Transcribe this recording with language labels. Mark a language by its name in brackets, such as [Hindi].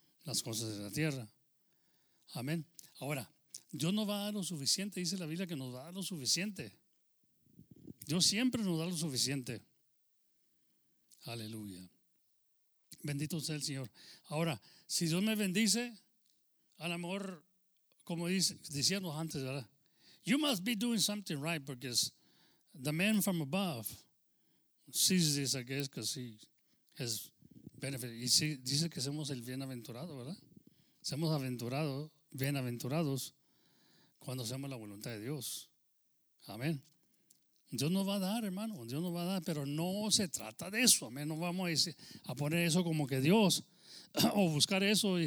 [Spanish] Las cosas de la tierra. Amén. Ahora, Dios nos va a dar lo suficiente, dice la Biblia que nos va a dar lo suficiente. Dios siempre nos da lo suficiente. Aleluya. Bendito sea el Señor. Ahora, si Dios me bendice, a lo mejor, como decíamos antes, ¿verdad? [English] You must be doing something right because the man from above sees this, I guess, because he has benefit. [Spanish] Y si dice que somos el bienaventurado, ¿verdad? Somos aventurados, bienaventurados, cuando hacemos la voluntad de Dios. Amén. Dios nos va a dar, hermano. Dios nos va a dar, pero no se trata de eso. Amén. No vamos a poner eso como que Dios, o buscar eso.